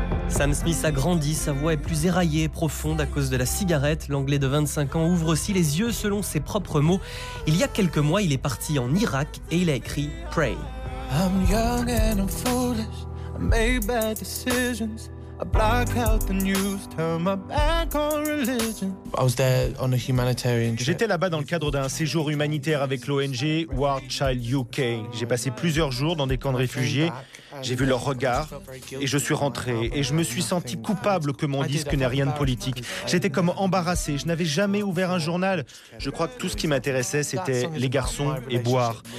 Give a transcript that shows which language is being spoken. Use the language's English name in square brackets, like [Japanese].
[French] Sam Smith a grandi, sa voix est plus éraillée, profonde à cause de la cigarette. L'anglais de 25 ans ouvre aussi les yeux selon ses propres mots. Il y a quelques mois, il est parti en Irak et il a écrit « Pray ». [English] I'm young and I'm foolish, I make bad decisions. I block out the news, turn my back on religion. I was there on a humanitarian trip. [French] J'étais là-bas dans le cadre d'un séjour humanitaire avec l'ONG War Child UK. J'ai passé plusieurs jours dans des camps de réfugiés. J'ai vu leurs regards et je suis rentré et je me suis senti coupable que mon disque n'ait rien de politique. J'étais comme embarrassé, je n'avais jamais ouvert un journal. Je crois que tout ce qui m'intéressait, c'était les garçons et boire.